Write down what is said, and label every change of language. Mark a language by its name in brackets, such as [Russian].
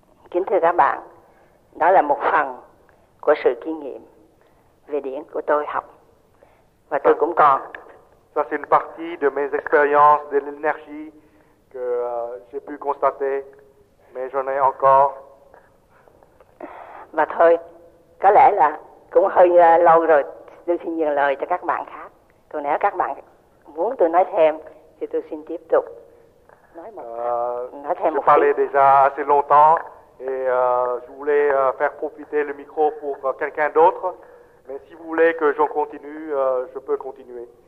[Vietnamese] Kính thưa các bạn, đó là một phần của sự kinh nghiệm về điển của tôi học và tôi cũng còn. [French] Ça c'est une partie de mes expériences de l'énergie que j'ai pu constater, mais j'en ai encore. [Vietnamese] Và thôi, có lẽ là cũng hơi lâu rồi tôi xin nhường lời cho các bạn khác. Còn nếu các bạn muốn tôi nói thêm thì tôi xin tiếp tục nói thêm một chút. [French] J'ai parlé déjà assez longtemps et je voulais faire profiter le micro pour quelqu'un d'autre, mais si vous voulez que j'en continue, je peux continuer.